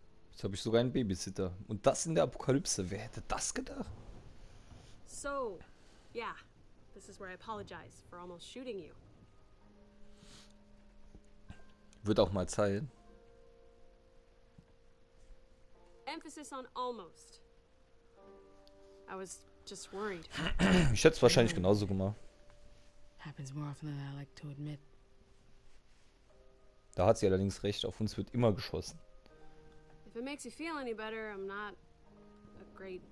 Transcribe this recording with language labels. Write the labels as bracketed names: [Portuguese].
[German] Jetzt habe ich sogar einen Babysitter. Und das in der Apokalypse. Wer hätte das gedacht? [English] So, yeah, this is where I apologize for almost shooting you. [German] Wird auch mal Zeit. [English] Emphasis on almost. I was just worried. [German] Ich hätte es wahrscheinlich genauso gemacht. [English] Happens more often than I like to admit. [German] Da hat sie allerdings recht, auf uns wird immer geschossen. [English] If it makes you feel any better, I'm not a great.